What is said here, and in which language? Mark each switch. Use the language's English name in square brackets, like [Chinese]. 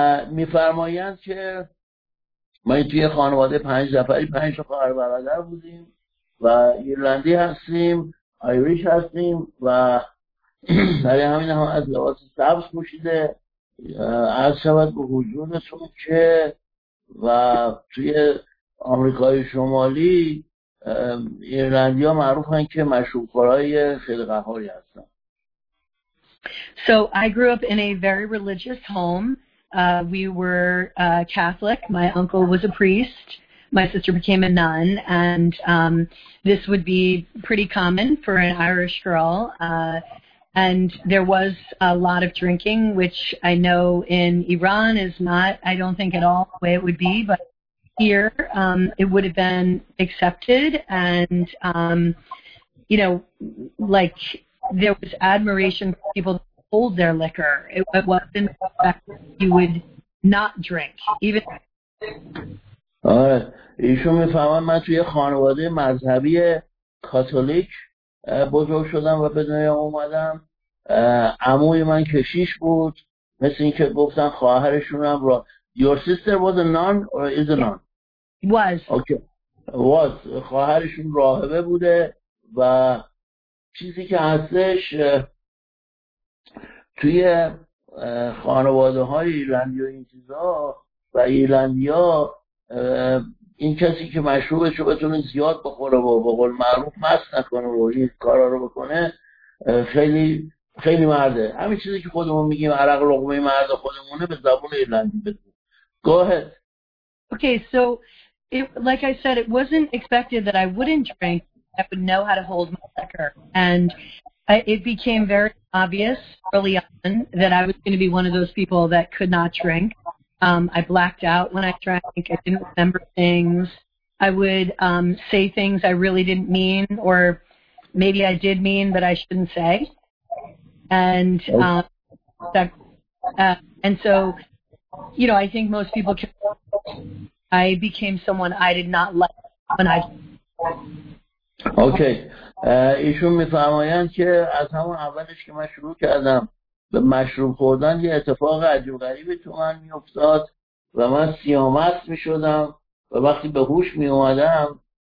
[Persian] می فرمایند که ما توی خانواده پنج نفری، پنج خواهر برادر بودیم و ایرلندی هستیم، آیریش هستیم و برای همین هم از لباس سبز پوشیده. عرض شود به حضورتون که و توی آمریکای شمالی ایرلندی ها معروف هستند که مشروب خورای خیلی قهاری هستند. [English] So I grew up in a very religious home. We were Catholic. My uncle was a priest. My sister became a nun. And this would be pretty common for an Irish girl. And there was a lot of drinking, which I know in Iran is not, I don't think at all the way it would be, but here, it would have been accepted, and you know, like there was admiration for people to hold their liquor. It wasn't that you would not drink, even. [Persian] ایشون میفهمن من توی خانواده مذهبی کاتولیک بزرگ شدم و به دنیا اومدم. عموی من کشیش بود، مثل اینکه گفتن خواهرشونم را. [English] Your sister was a nun or is a nun? Was [Persian] okay. خواهرشون راهبه بوده و چیزی که هستش توی خانواده های ایرلندی و این چیزا و ایرلندی ها این کسی که مشروبش رو بتونه زیاد بخوره و با قول معروف مست نکنه و این کارا رو بکنه خیلی خیلی مرده. همین چیزی که خودمون میگیم عرق لقمه مرد خودمونه به زبون ایرلندی بگیم. [English] Go ahead. Okay, so it, like I said, it wasn't expected that I wouldn't drink. I would know how to hold my liquor. And it became very obvious early on that I was going to be one of those people that could not drink. I blacked out when I drank. I didn't remember things. I would say things I really didn't mean, or maybe I did mean, but I shouldn't say. And and so, you know, I think most people can. I became someone I did not like when I. Okay okay. [Persian] ایشون میفرمایند که از همون اولش که من شروع کردم به مشروب خوردن یه اتفاق عجیب غریبی تو من میافتاد و من سیامک میشدم و وقتی به هوش میومدم